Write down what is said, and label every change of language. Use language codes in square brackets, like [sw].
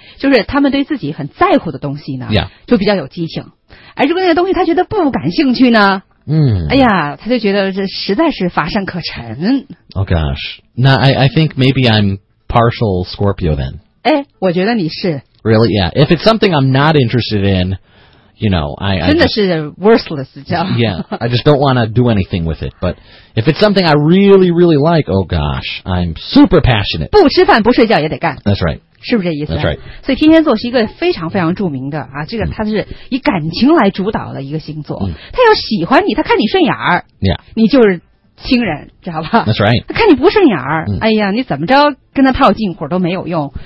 [zh] 就是他们对自己很在乎的东西呢， [en] yeah. [zh] 就比较有激情。而如果那个东西他觉得不感兴趣呢， Mm. 哎呀，他就觉得这实在是乏善可陈。 [en] Oh gosh. Now, I think maybe I'm partial Scorpio then. [zh] 哎，我觉得你是。 [en] Really? Yeah. If it's something I'm not interested in, you know, I [zh] 真的是 worthless, 叫。 [en] Yeah, I just don't want to do anything with it. But if it's something I really, really like, oh gosh, I'm super passionate. [zh] 不吃饭不睡觉也得干。 [en] That's right. [zh] 是不是这意思、啊、 [en] That's right. [zh] 所以天蝎座是一个非常非常著名的啊，这个它是以感情来主导的一个星座。他、嗯、要喜欢你，他看你顺眼儿、 [en] yeah. [zh] 你就是亲人，知道吧 [en] That's right. [zh] 他看你不顺眼儿、嗯、哎呀你怎么着跟他套近乎都没有用。